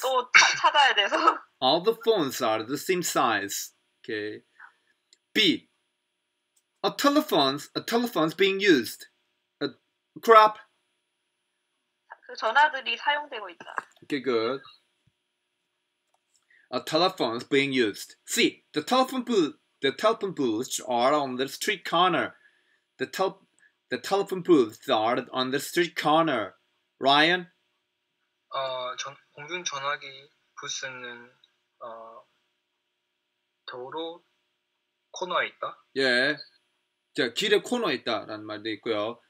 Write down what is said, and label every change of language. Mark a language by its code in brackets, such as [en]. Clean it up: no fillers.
[ko] 또 찾아야 돼서. [en] All the phones are the same size. Okay. B. A telephone's being used. A crap. [ko] 그 전화들이 사용되고 있다. [en] Okay, good. A telephone's being used. C. The telephone booths are on the street corner. The telephone booths are on the street corner. Ryan? [ko] 공중전화기 부스는 도로 코너에 있다? 예. 자, 길의 코너에 있다라는 말도 있고요.